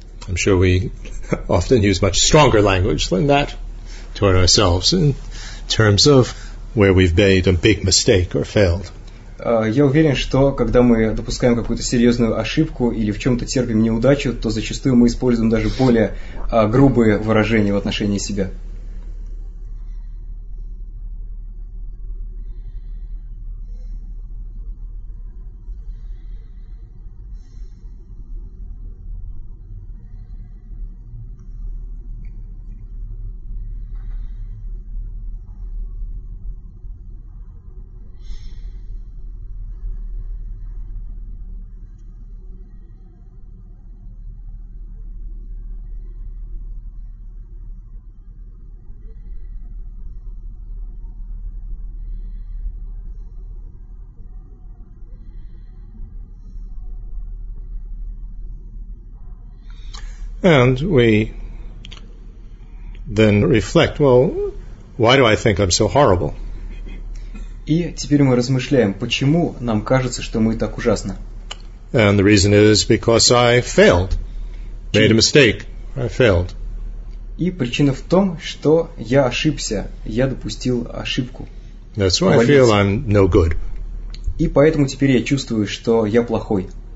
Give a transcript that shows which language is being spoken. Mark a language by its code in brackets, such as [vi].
[en] I'm sure we often use much stronger language than that toward ourselves in terms of where we've made a big mistake or failed. [ru] Я уверен, что когда мы допускаем какую-то серьезную ошибку или в чем-то терпим неудачу, то зачастую мы используем даже более грубые выражения в отношении себя. [en] And we then reflect, well, why do I think I'm so horrible? [ru] И теперь мы размышляем, почему нам кажется, что мы так ужасны? [en] And the reason is because I failed, made a mistake, I failed. [ru] И причина в том, что я ошибся, я допустил ошибку. [en] That's why I feel I'm no good. [ru] И поэтому теперь я чувствую, что я плохой.